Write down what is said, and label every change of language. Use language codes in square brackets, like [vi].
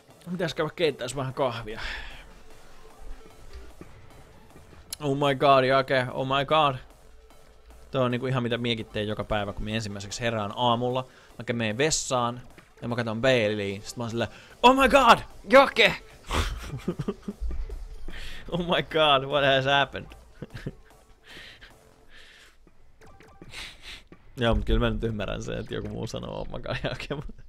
[fi] Mitäs käydä keittäis vähän kahvia? [en] Oh my god, Jake, oh my god. [fi] Tää on niinku ihan mitä miekin tein joka päivä, kun mä ensimmäiseksi herään aamulla. Mä käyn meen vessaan, ja mä katson Baileyin. Sitten mä oon silleen, [en] oh my god, Jake! Oh my god, what has happened? [fi] Joo, mut kyllä mä nyt ymmärrän sen, että joku muu sanoo, [en] oh my god, Jake.